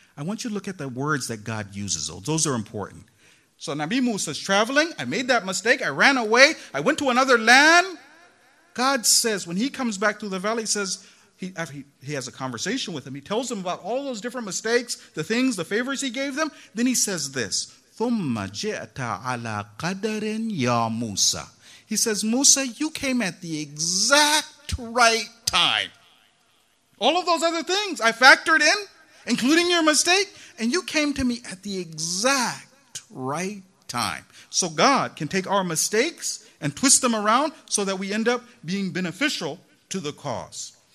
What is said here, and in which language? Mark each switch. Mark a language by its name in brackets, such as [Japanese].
[English] I want you to look at the words that God uses. Those are important. So Nabi Musa is traveling. I made that mistake. I ran away. I went to another land. God says, when he comes back through the valley, he has a conversation with him. He tells him about all those different mistakes, the things, the favors he gave them. Then he says this, [Arabic] ثُمَّ جِئْتَ عَلَىٰ قَدَرٍ يَا مُوسَىٰ. [English] He says, Musa, you came at the exact right time. All of those other things I factored in, including your mistake, and you came to me at the exact right time. So God can take our mistakes and twist them around so that we end up being beneficial to the cause.